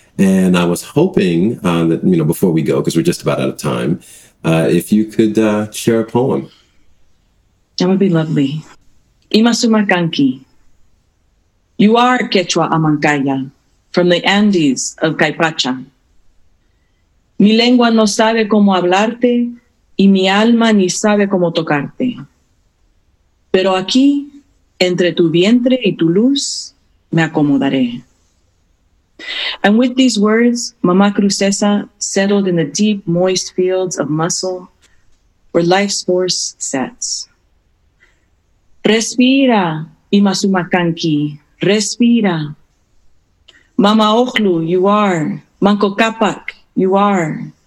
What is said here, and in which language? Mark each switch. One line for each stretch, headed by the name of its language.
English: And I was hoping that, you know, before we go, because we're just about out of time, if you could share a poem. That would be lovely. Imasumakanki. You are Quechua Amankaya, from the Andes of Caipacha.
Spanish: Mi lengua no sabe cómo hablarte, y mi alma ni sabe cómo tocarte. Pero aquí, entre tu vientre y tu luz, me acomodaré.
English: And with these words, Mama Crucesa settled in the deep, moist fields of muscle where life's force sets.
Spanish: Respira, Imasumakanki, respira.
English: Mama Ohlu, you are. Manco Capac, you are.